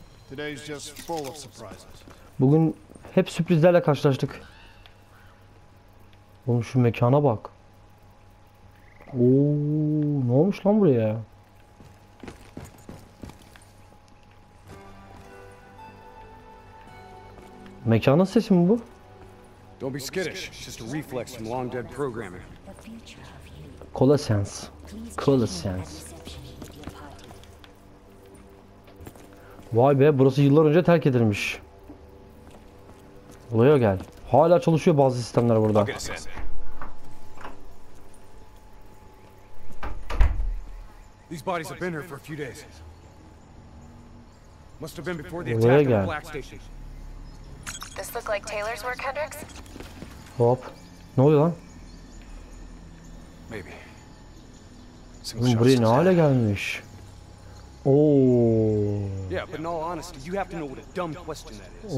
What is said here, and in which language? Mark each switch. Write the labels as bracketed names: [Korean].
[English] Today's just full of surprises. [Turkish] Bugün hep sürprizlerle karşılaştık. Oğlum şu mekana bak. Oo, ne olmuş lan buraya? Mekanın sesi mi bu? [English] Don't be skittish. It's just a reflex from long dead programming. Colossians. Colossians. [Turkish] Vay be, burası yıllar önce terk edilmiş. Leo gel. Hala çalışıyor bazı sistemler burada. [English] These bodies have been here for a few days. Must have been before the attack on the Black Station. This look like Taylor's work, Hendricks? [Turkish] Hop. Ne oluyor lan? [English] Maybe. [Turkish] Oğlum buraya ne hale gelmiş? Oo. [English] Yeah, but in all honesty, you have to know what a dumb question that is.